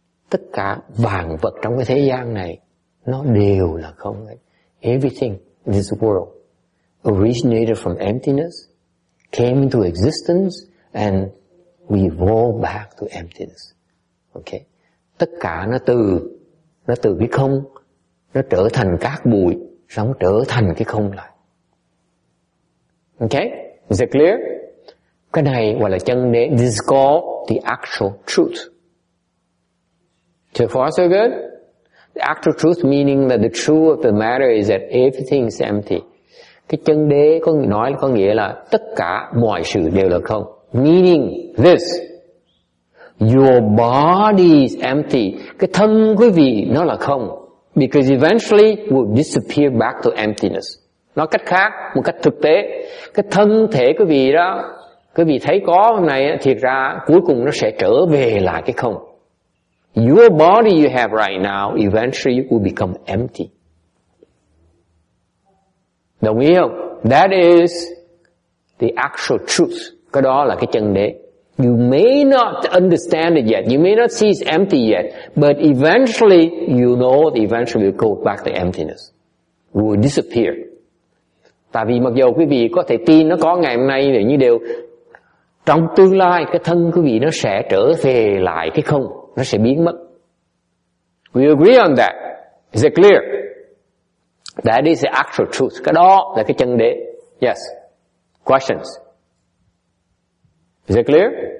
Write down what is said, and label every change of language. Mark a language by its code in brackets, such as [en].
[vi] Tất cả vạn vật trong cái thế gian này nó đều là không. [en] Everything in this world originated from emptiness, came into existence, and we evolved back to emptiness. Okay? [vi] Tất cả nó từ cái không, nó trở thành cát bụi, xong trở thành cái không lại. [en] Okay? Is it clear? [vi] Cái này gọi là chân đế. [en] This is called the actual truth. So far so good? The actual truth meaning that the truth of the matter is that everything is empty. [vi] Cái chân đế có nói có nghĩa là tất cả mọi sự đều là không. [en] Meaning this, your body is empty. [vi] Cái thân quý vị nó là không. [en] Because eventually will disappear back to emptiness. [vi] Nói cách khác, một cách thực tế, cái thân thể quý vị đó, quý vị thấy có hôm nay, thiệt ra cuối cùng nó sẽ trở về lại cái không. [en] Your body you have right now eventually will become empty. [vi] Đồng ý không? [en] That is the actual truth. [vi] Cái đó là cái chân đế. [en] You may not understand it yet. You may not see it's empty yet. But eventually, you know that eventually you go back to emptiness. It will disappear. [vi] Tại vì mặc dù quý vị có thể tin nó có ngày hôm nay, như đều trong tương lai, cái thân quý vị nó sẽ trở về lại cái không. Nó sẽ biến mất. [en] We agree on that. Is it clear? That is the actual truth. [vi] Cái đó là cái chân đế. [en] Yes. Questions? Is it clear?